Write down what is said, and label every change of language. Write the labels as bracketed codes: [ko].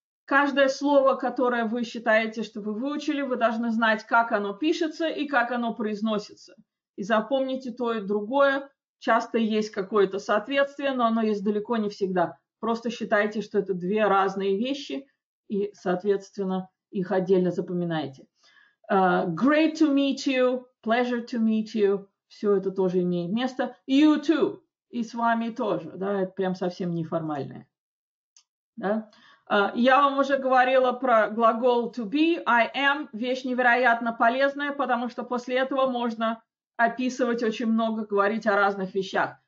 [ru] Каждое слово, которое вы считаете, что вы выучили, вы должны знать, как оно пишется и как оно произносится. И запомните то и другое. Часто есть какое-то соответствие, но оно есть далеко не всегда. Просто считайте, что это две разные вещи и, соответственно, их отдельно запоминайте. [en] Great to meet you, pleasure to meet you. [ru] Все это тоже имеет место. [en] You too. [ru] И с вами тоже, да, это прям совсем неформальное. Да? Я вам уже говорила про глагол [en] to be, I am, [ru] вещь невероятно полезная, потому что после этого можно описывать очень много, говорить о разных вещах.